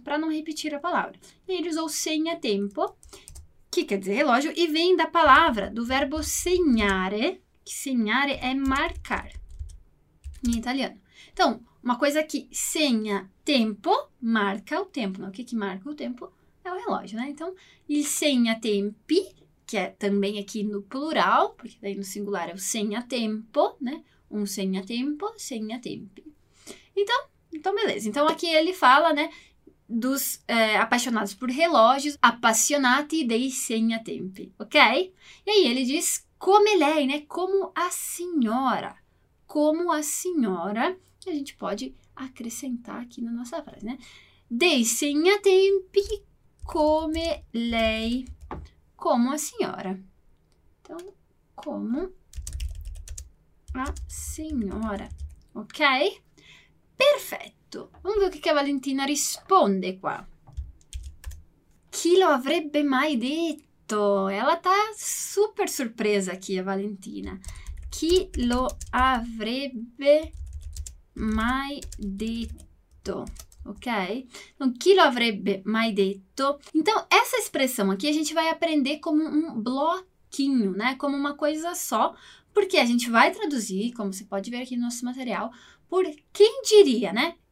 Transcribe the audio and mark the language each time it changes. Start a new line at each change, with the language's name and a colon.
Portuguese: Para não repetir a palavra. E ele usou segnatempo, que quer dizer relógio, e vem da palavra, do verbo segnare, que segnare é marcar, em italiano. Então, uma coisa que segna tempo, marca o tempo, né? O que que marca o tempo é o relógio, né? Então, il segnatempi, que é também aqui no plural, porque daí no singular é o segnatempo, né? Um segnatempo, segnatempi. Então, beleza. Então, aqui ele fala, né, dos apaixonados por relógios,
Italian: appassionati dei segnatempi,
Portuguese: ok? E aí, ele diz
Italian: come lei,
Portuguese: né? Como a senhora. Como a senhora, que a gente pode acrescentar aqui na nossa frase, né?
Italian: Dei segnatempi come lei,
Portuguese: como a senhora. Então, como a senhora, ok? Perfetto! Vamos ver o
Italian: che Valentina risponde qua. Chi lo avrebbe mai detto?
Portuguese: Ela tá super surpresa aqui, a Valentina.
Italian: Chi lo avrebbe mai detto? Ok? Então, chi lo avrebbe mai detto?
Portuguese: Então, essa expressão aqui a gente vai aprender como um bloquinho, né? Como uma coisa só, porque a gente vai traduzir, como você pode ver aqui no nosso material, por quem diria, né?